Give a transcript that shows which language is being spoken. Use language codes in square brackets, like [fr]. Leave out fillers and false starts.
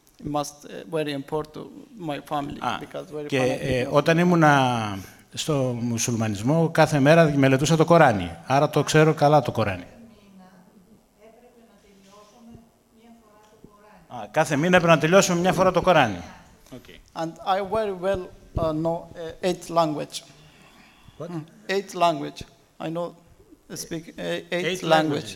[en] It must very important to my family. [el] Και όταν ήμουν στο μουσουλμανισμό, κάθε μέρα μελετούσα το Κοράνι. Άρα το ξέρω καλά το Κοράνι. Κάθε μήνα έπρεπε να τελειώσουμε μια φορά το Κοράνι. [en] Okay. And I very well know eight language. What? Eight language. I know speak eight language.